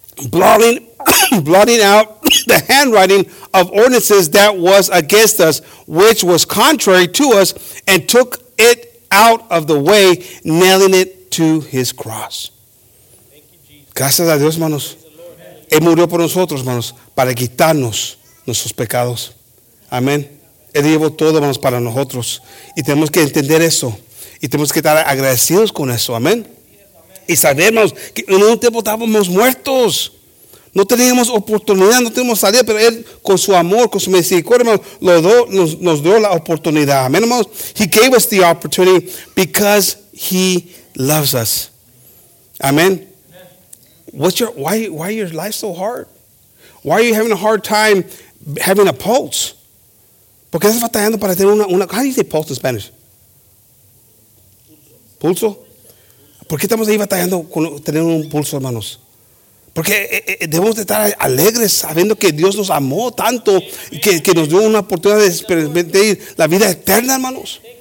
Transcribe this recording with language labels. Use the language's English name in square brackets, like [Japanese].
[English] Blotting out the handwriting of ordinances that was against us, which was contrary to us, and took it out of the way, nailing it to his cross. [Spanish] Gracias a Dios, hermanos. Él murió por nosotros, hermanos, para quitarnos nuestros pecados. Amén. Él llevó todo, hermanos, para nosotros. Y tenemos que entender eso. Y tenemos que estar agradecidos con eso. Amén. Y saber, hermanos, que en un tiempo estábamos muertos. No teníamos oportunidad, no teníamos salida, pero Él, con su amor, con su misericordia, hermanos, nos dio la oportunidad. Amén, hermanos. [English] He gave us the opportunity because He loves us. Amén. Why is your life so hard? Why are you having a hard time having a pulse. [Spanish] ¿Por qué hace falta ando para tener una? [English] How do you say pulse in Spanish? [Spanish] Pulso. ¿Por qué estamos ahí batallando con tener un pulso, hermanos? Porque debemos de estar alegres sabiendo que Dios nos amó tanto y que nos dio una oportunidad de experimentar la vida eterna, hermanos.